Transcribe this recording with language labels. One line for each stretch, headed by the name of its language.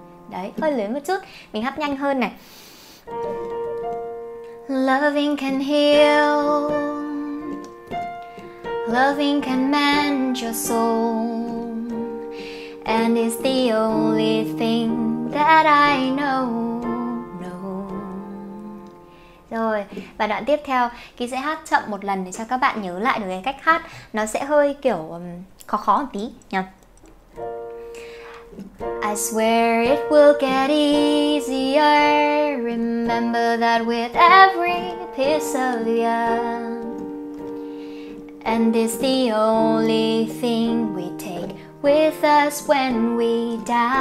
Vietnamese: Đấy, hơi lớn một chút, mình hát nhanh hơn này.
English: Loving can heal, loving can mend your soul, and it's the only thing that I know. No.
Vietnamese: Rồi, và đoạn tiếp theo Ký sẽ hát chậm một lần để cho các bạn nhớ lại được cái cách hát. Nó sẽ hơi kiểu khó khó một tí nhỉ?
English: I swear it will get easier. Remember that with every piece of you. And this the only thing we take with us when we die.